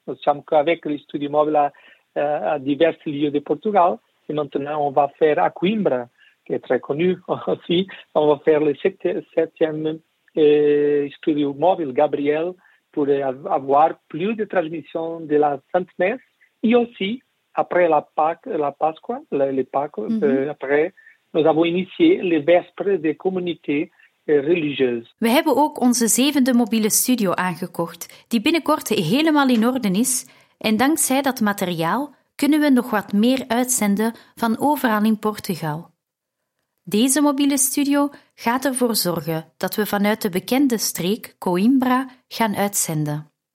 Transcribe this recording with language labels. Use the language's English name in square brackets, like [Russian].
[Dutch] We zijn met het studio mobiel aan diverse plekken in Portugal. En nu gaan we naar Coimbra, die is heel bekend. We gaan naar het zevende studio mobiel, Gabriel, om meer de transmissie van de Sainte Messe te hebben. [French] Après la Pascua, les Pâques, après, nous avons initié les vespres des communautés religieuses. [Dutch] We hebben ook onze zevende mobiele studio aangekocht, die binnenkort helemaal in orde is. En dankzij dat materiaal kunnen we nog wat meer uitzenden van overal in Portugal. Deze mobiele studio gaat ervoor zorgen dat we vanuit de bekende streek Coimbra gaan uitzenden.